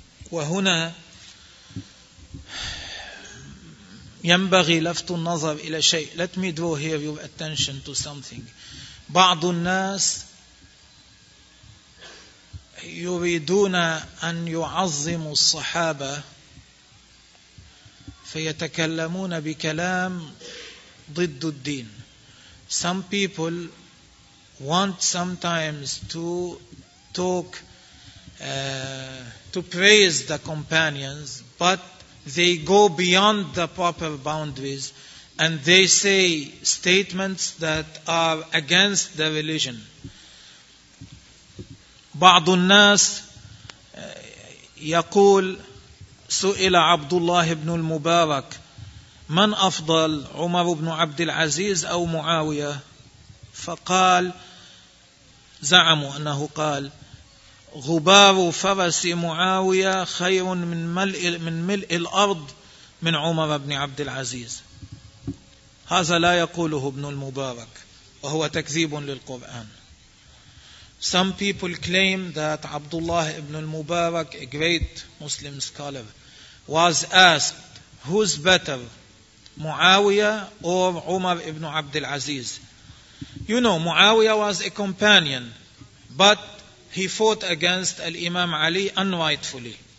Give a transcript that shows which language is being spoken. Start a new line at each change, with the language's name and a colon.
Arabic: وهنا ينبغي لفت النظر إلى شيء.
English: Let me draw here your attention to something.
Arabic: بعض الناس يريدون أن يعظموا الصحابة فيتكلمون بكلام ضد الدين.
English: Some people want sometimes to talk to praise the companions, but they go beyond the proper boundaries and they say statements that are against the religion.
Arabic: بعض الناس يقول سئل عبد الله بن المبارك من أفضل عمر بن عبد العزيز أو معاوية فقال زعموا أنه قال غبار فرس معاوية خير من ملء الأرض من عمر بن عبد العزيز. هذا لا يقوله ابن المبارك وهو تكذيب للقرآن.
English: Some people claim that Abdullah ibn al-Mubarak, a great Muslim scholar, was asked, who's better, Muawiyah or Umar ibn Abd al-Aziz? You know, Muawiyah was a companion, but he fought against Al-Imam Ali unrightfully.